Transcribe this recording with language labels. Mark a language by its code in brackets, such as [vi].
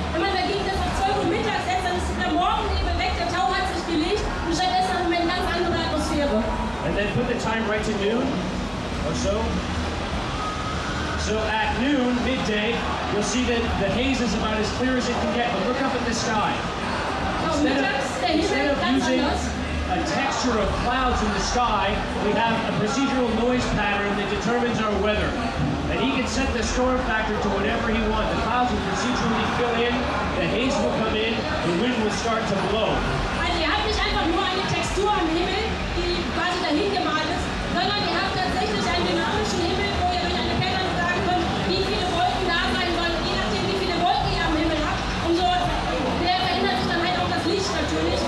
[de] Wenn man dagegen das auf 12 Uhr mittags setzt, dann ist der Morgennebel weg, der Tau hat sich gelegt und stattdessen haben wir eine ganz andere Atmosphäre. [en] And then put the time right to noon, or so. So at noon, midday, you'll see that the haze is about as clear as it can get, but look up at the sky. A texture of clouds in the sky, we have a procedural noise pattern that determines our weather. And he can set the storm factor to whatever he wants. The clouds will procedurally fill in, the haze will come in, the wind will start to blow. [de] Also, ihr habt nicht einfach nur eine Textur am Himmel, die quasi dahin gemalt ist, sondern ihr habt tatsächlich einen dynamischen Himmel, wo ihr durch eine Pattern sagen könnt, wie viele Wolken da sein sollen, je nachdem, wie viele Wolken ihr am Himmel habt. Und so verändert sich dann halt auch das Licht natürlich.